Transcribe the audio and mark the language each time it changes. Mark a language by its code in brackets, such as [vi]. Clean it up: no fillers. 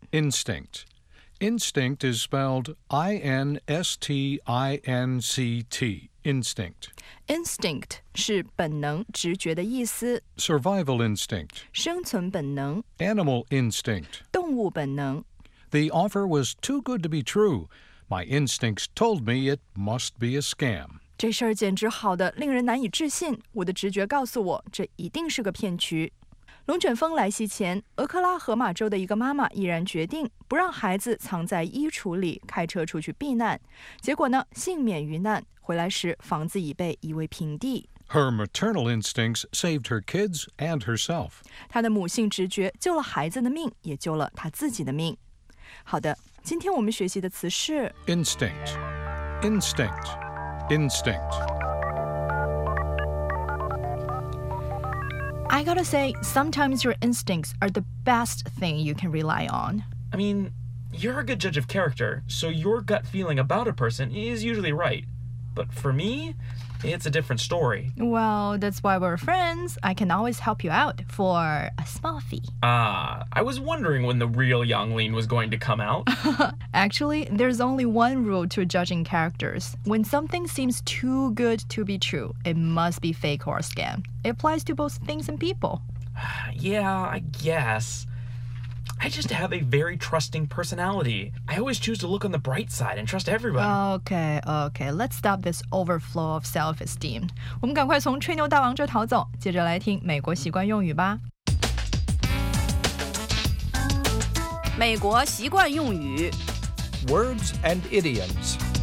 [en] Instinct. Instinct is spelled I-N-S-T-I-N-C-T. Instinct. [zh] Instinct 是本能、直觉的意思。 [en] Survival instinct [zh] 生存本能。 [en] Animal instinct [zh] 动物本能。 [en] The offer was too good to be true. My instincts told me it must be a scam. [zh] 这事儿简直好的令人难以置信。我的直觉告诉我，这一定是个骗局。龙卷风来袭前，俄克拉荷马州的一个妈妈毅然决定不让孩子藏在衣橱里，开车出去避难。结果呢，幸免于难。回来时，房子已被夷为平地。 [en] Her maternal instincts saved her kids and herself. [zh] 她的母性直觉救了孩子的命，也救了她自己的命。好的，今天我们学习的词是 [en] instinct, instinct, instinct. I gotta say, sometimes your instincts are the best thing you can rely on. I mean, you're a good judge of character, so your gut feeling about a person is usually right. But for me, it's a different story. Well, that's why we're friends. I can always help you out for a small fee. I was wondering when the real Yang Lin was going to come out. Actually, there's only one rule to judging characters. When something seems too good to be true, it must be fake or a scam. It applies to both things and people. Yeah, I guess. I just have a very trusting personality. I always choose to look on the bright side and trust everybody. Okay, okay. Let's stop this overflow of self-esteem. [zh] 我们赶快从吹牛大王这逃走，接着来听美国习惯用语吧。美国习惯用语 [en] Words and idioms.